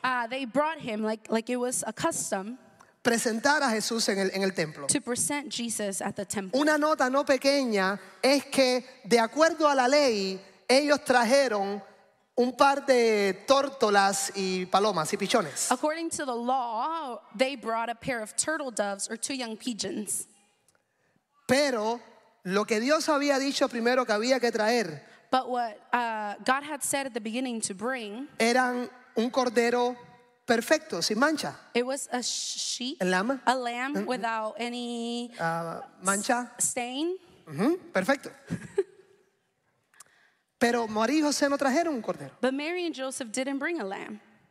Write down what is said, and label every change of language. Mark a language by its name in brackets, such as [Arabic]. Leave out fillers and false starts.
[English] They brought him like it was a custom. [Spanish] Presentar a Jesús en el templo. [English] To present Jesus at the temple. [Spanish] Una nota no pequeña es que, de acuerdo a la ley, ellos trajeron un par de tórtolas y palomas y pichones. [English] According to the law, they brought a pair of turtle doves or two young pigeons. [Spanish] Pero lo que Dios había dicho primero que había que traer, [English] but what God had said at the beginning to bring, [Spanish] eran un cordero perfecto, sin mancha. [English] It was a sheep, a lamb without any [Spanish] mancha, [English] stain. [Spanish] Uh-huh. Perfecto. Pero María y José no trajeron un cordero. [English] But Mary and Joseph didn't bring a lamb.